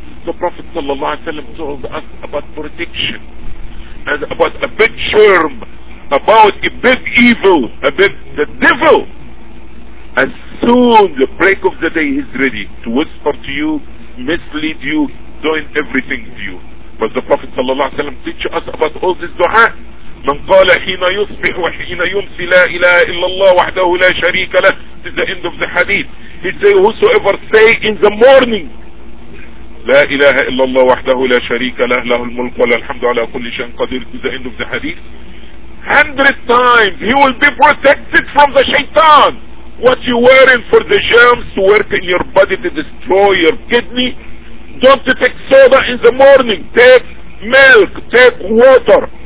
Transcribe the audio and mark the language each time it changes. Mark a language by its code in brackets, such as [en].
[en] The Prophet sallallahu alaihi wasallam told us about protection and about a big germ, about a big evil, a big the devil. As soon the break of the day is ready to whisper to you, mislead you, doing everything to you. But the Prophet [ar] صلى الله عليه وسلم [en] teach us about all this دعاء. [ar] من قال حين يصبح وحين يمسي لا إله إلا الله وحده لا شريك له. [en] This is the end of the hadith. He say whosoever say in the morning [ar] لا إله إلا الله وحده لا شريك له له الملك ولا الحمد على كل شيء قدير. [en] This is the end of the hadith. 100 times he will be protected from the shaitan. What you wearing for the germs to work in your body to destroy your kidney? Don't take soda in the morning, take milk, take water.